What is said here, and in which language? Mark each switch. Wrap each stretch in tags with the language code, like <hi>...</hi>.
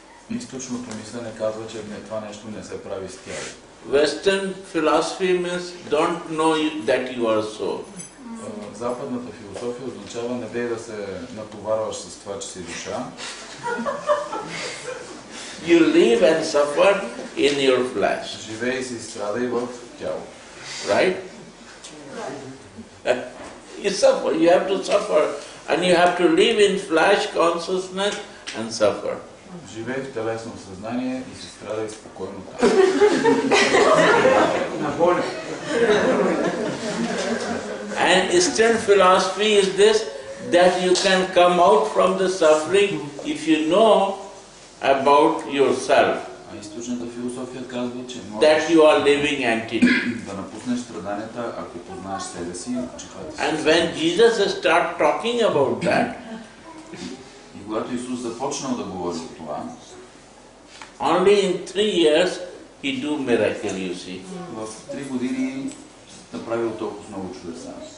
<bg>Източното мислене казва, че това нещо не се прави с тяло.</bg> <en>Western philosophy means don't know that you are so.</en> <bg>Западната философия означава не дей да се натоварваш с това, че си душа.</bg> <en>You live and suffer in your flesh.</en> <bg>Живей си и страдай в тяло.</bg> <en>Right? You suffer, you have to suffer. And you have to live in flesh consciousness and suffer.</en> <bg>Живей в телесно съзнание и се страдай спокойно там. На боли.</bg> <en>And Eastern philosophy is this, that you can come out from the suffering if you know about yourself.</en> <bg>А източната философия казва, че можеш</bg> <en>that you are living entity.</en> <bg>Да напуснеш страданията, ако познаеш себе си, ако чихвате</bg> <en>си. And when Jesus start talking about that,</en> <bg>когато Исус започнал да говори за това,</bg> <en>only in 3 years he do miracle, you see.</en> <bg>В 3 години направил толкова много чудеса.</bg>